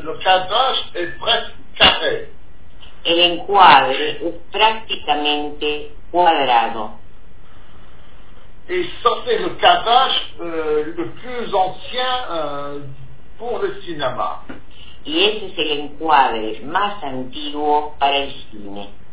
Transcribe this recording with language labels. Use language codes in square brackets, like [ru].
[fr] Le cadrage est presque carré. [es] El encuadre es prácticamente cuadrado. [fr] Et ça c'est le cadrage le plus ancien pour le cinéma. [es] Y ese es el encuadre más antiguo para el cine.